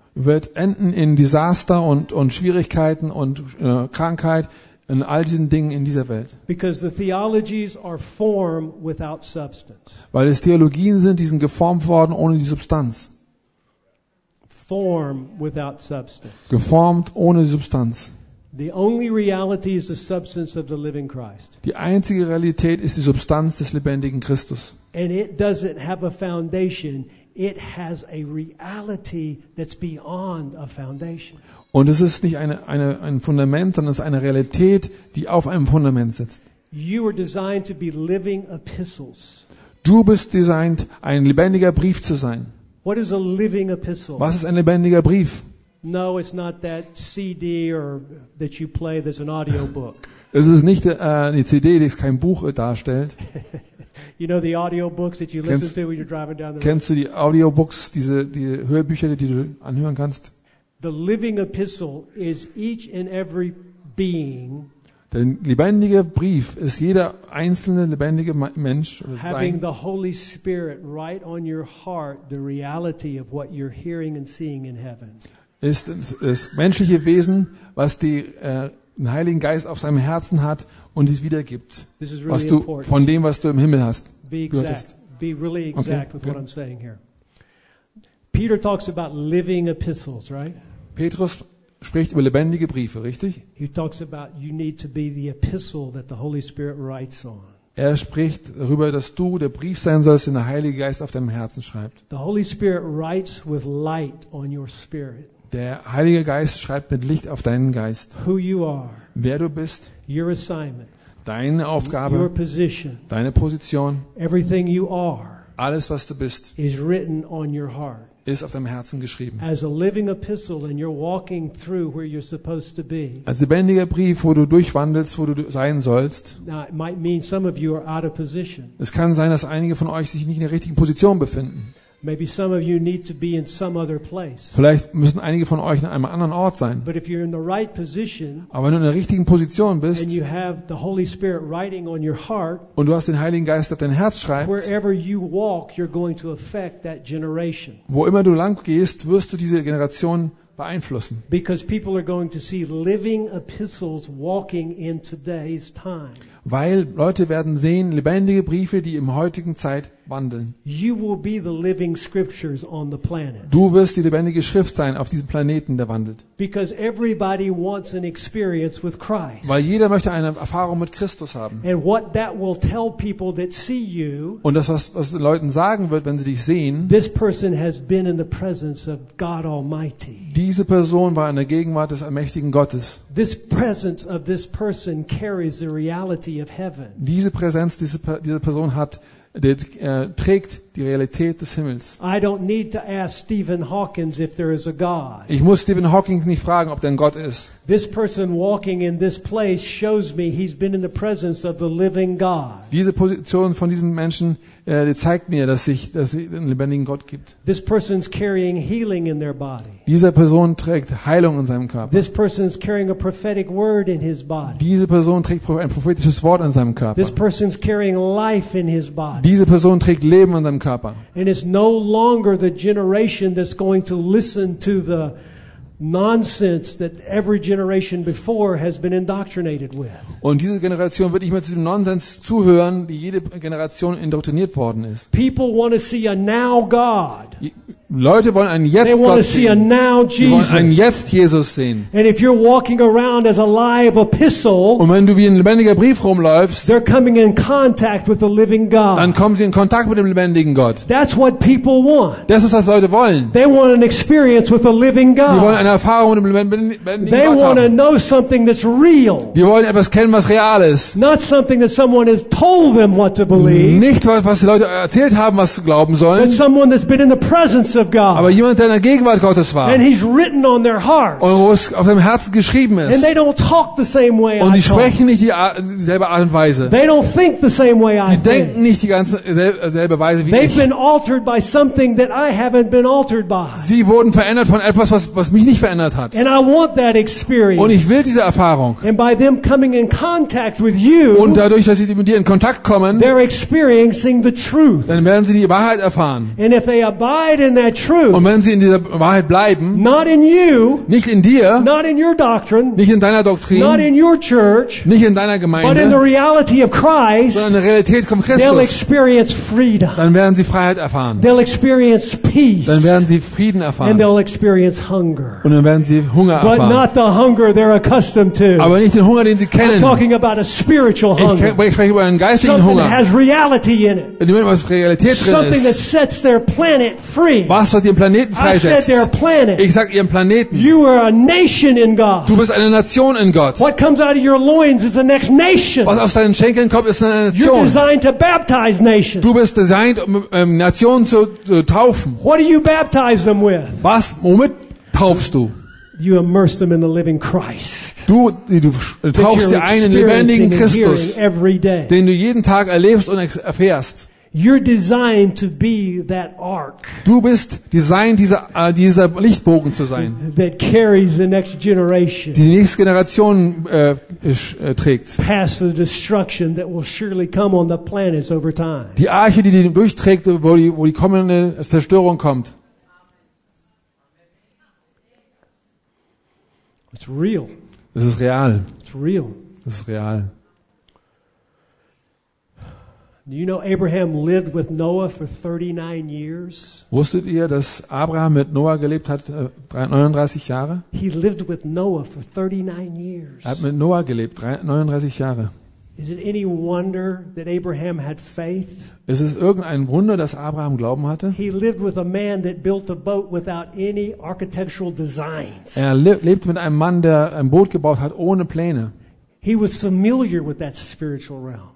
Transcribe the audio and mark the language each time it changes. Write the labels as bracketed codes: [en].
[de] Wird enden in Desaster und Schwierigkeiten und Krankheit und all diesen Dingen in dieser Welt. [en] Because the theologies are form without substance. [de] Weil es Theologien sind, die sind geformt worden ohne die Substanz. [en] Form without substance. [de] Geformt ohne Substanz. [en] The only reality is the substance of the living Christ. [de] Die einzige Realität ist die Substanz des lebendigen Christus. [en] And it doesn't have a foundation. It has a reality that's beyond a foundation. [de] Und es ist nicht ein Fundament, sondern es ist eine Realität, die auf einem Fundament sitzt. [en] You were designed to be living epistles. [de] Du bist designed, ein lebendiger Brief zu sein. [en] What is a living epistle? [de] Was ist ein lebendiger Brief? [en] No, it's not that CD or that you play. That's an audio book. [de] Es ist nicht eine CD, die es kein Buch darstellt. [en] You know the audio books that you listen to when you're driving down the road. [de] Kennst du die Audiobooks, die Hörbücher, die du anhören kannst? [en] The living epistle is each and every being. [de] Der lebendige Brief ist jeder einzelne lebendige Mensch. [en] Having the Holy Spirit write on your heart the reality of what you're hearing and seeing in heaven. [de] Ist das menschliche Wesen, was den Heiligen Geist auf seinem Herzen hat und es wiedergibt, was du von dem, was du im Himmel hast, gehört hast. [en] Be really exact with what I'm saying here. Peter talks about living epistles, right? [de] Petrus spricht über lebendige Briefe, richtig? [en] He talks about you need to be the epistle that the Holy Spirit writes on. [de] Er spricht darüber, dass du der Brief sein sollst, den der Heilige Geist auf deinem Herzen schreibt. [en] The Holy Spirit writes with light on your spirit. [de] Der Heilige Geist schreibt mit Licht auf deinen Geist. [en] Who you are, [de] wer du bist, [en] your assignment, [de] deine Aufgabe, [en] your position, [de] deine Position, [en] everything you are, [de] alles, was du bist, [en] is written on your heart. [de] Ist auf deinem Herzen geschrieben. [en] As a living epistle, and you're walking through where you're supposed to be. [de] Als lebendiger Brief, wo du durchwandelst, wo du sein sollst. [en] Now, it might mean some of you are out of position. [de] Es kann sein, dass einige von euch sich nicht in der richtigen Position befinden. [en] Maybe some of you need to be in some other place. [de] Vielleicht müssen einige von euch in einem anderen Ort sein. [en] But if you're in the right position, [de] aber wenn du in der richtigen Position bist, [en] and you have the Holy Spirit writing on your heart, [de] und du hast den Heiligen Geist auf dein Herz schreibt, [en] wherever you walk, you're going to affect that generation. [de] Wo immer du lang gehst, wirst du diese Generation beeinflussen. [en] Because people are going to see living epistles walking in today's time. [de] Weil Leute werden sehen, lebendige Briefe, die im heutigen Zeit wandeln. [en] You will be the living scriptures on the planet. [de] Du wirst die lebendige Schrift sein auf diesem Planeten, der wandelt. [en] Because everybody wants an experience with Christ. [de] Weil jeder möchte eine Erfahrung mit Christus haben. [en] And what that will tell people that see you, [de] und das, was den Leuten sagen wird, wenn sie dich sehen, [en] this person has been in the presence of God Almighty. [de] Diese Person war in der Gegenwart des allmächtigen Gottes. [en] This presence of this person carries the reality of heaven. [de] Diese Präsenz dieser Person hat trägt die Realität des Himmels. [en] I don't need to ask Stephen Hawking if there is a God. [de] Ich muss Stephen Hawking nicht fragen, ob der ein Gott ist. [en] This person walking in this place shows me he's been in the presence of the living God. [de] Diese Position von diesem Menschen die zeigt mir, dass es einen lebendigen Gott gibt. [en] This person's carrying healing in their body. [de] Diese Person trägt Heilung in seinem Körper. [en] This person's carrying a prophetic word in his body. [de] Diese Person trägt ein prophetisches Wort in seinem Körper. [en] This person's carrying life in his body. [de] Diese Person trägt Leben in seinem Körper. [en] And it's no longer the generation that's going to listen to the nonsense that every generation before has been indoctrinated with. [de] Und diese Generation wird nicht mehr zu dem Nonsens zuhören, die jede Generation indoktriniert worden ist. [en] People want to see a now God. [de] Leute wollen einen Jetzt [en] They want [de] Gott [en] to see [de] sehen. [en] A now Jesus. [de] Sie wollen einen Jetzt Jesus sehen. [en] And if you're walking around as a live epistle, [de] und wenn du wie ein lebendiger Brief rumläufst, [en] they're coming in contact with the living God. [de] Dann kommen sie in Kontakt mit dem lebendigen Gott. [en] That's what people want. [de] Das ist, was Leute wollen. [en] They want an experience with the living God. [de] Die wollen eine Erfahrung mit dem lebendigen Gott haben. [en] They want to know something that's real. [de] Die wollen etwas kennen, was real ist. [en] Not something that someone has told them what to believe. [de] Nicht, was die Leute erzählt haben, was sie glauben sollen. [en] But someone that's been in the presence of God. [de] Aber jemand, der in der Gegenwart Gottes war. [en] And he's written on their hearts. [de] Und wo es auf dem Herzen geschrieben ist. [en] And they don't talk the same way [de] und die sprechen nicht dieselbe Art und Weise. [en] They don't think the same way [de] die denken nicht dieselbe Weise wie [en] They've [de] ich. [en] Been altered by something that I haven't been altered by. [de] Sie wurden verändert von etwas, was mich nicht verändert hat. [en] And I want that experience. [de] Und ich will diese Erfahrung. [en] And by them coming in contact with you, [de] und dadurch, dass sie mit dir in Kontakt kommen, [en] they're experiencing the truth. [de] Dann werden sie die Wahrheit erfahren. [en] And if they abide in that truth, [de] und wenn sie in dieser Wahrheit bleiben, [en] not in you, [de] nicht in dir, [en] not in your doctrine, [de] nicht in deiner Doktrin, [en] not in your church, [de] nicht in deiner Gemeinde, [en] but in the reality of Christ, [de] sondern in der Realität von Christus, [en] they'll experience freedom. [de] Dann werden sie Freiheit erfahren. [en] They'll experience peace. [de] Dann werden sie Frieden erfahren. [en] And they'll experience hunger. [de] Und dann werden sie Hunger erfahren. [en] But not the hunger they're accustomed to. [de] Aber nicht den Hunger, den sie kennen. [en] I'm talking about a spiritual hunger. [de] Ich spreche über einen geistigen [en] something [de] Hunger. [en] Something that has reality in it. [de] In dem, was Realität drin ist. [en] Something that sets their planet free. [de] Was ihren Planeten freisetzt. [en] I said their planet. [de] Ich sag ihren Planeten. [en] You are a nation in God. [de] Du bist eine Nation in Gott. [en] What comes out of your loins is the next nation. [de] Was aus deinen Schenkeln kommt, ist eine Nation. [en] You're designed to baptize nations. [de] Du bist designed, Nationen zu taufen. [en] What do you baptize them with? [de] Was, womit taufst du? [en] You immerse them in the living Christ. [de] Du taufst dir einen lebendigen Christus, den du jeden Tag erlebst und erfährst. [en] You're designed to be that ark. [de] Du bist designed, dieser Lichtbogen zu sein. [en] That carries the next generation. [de] Die nächste Generation trägt. [en] Past the destruction that will surely come on the planets over time. [de] Die Arche, die durchträgt, wo die kommende Zerstörung kommt. [en] It's real. [de] Es ist real. [en] It's real. [de] Es ist real. [en] Do you know Abraham lived with Noah for 39 years? [de] Wusstet ihr, dass Abraham mit Noah gelebt hat 39 Jahre? [en] He lived with Noah for 39 years. [de] Er hat mit Noah gelebt 39 Jahre. [en] Is it any wonder that Abraham had faith? [de] Ist es irgendein Wunder, dass Abraham Glauben hatte? [en] He lived with a man that built a boat without any architectural designs. [de] Er lebte mit einem Mann, der ein Boot gebaut hat ohne Pläne. [en] He was familiar with that spiritual realm.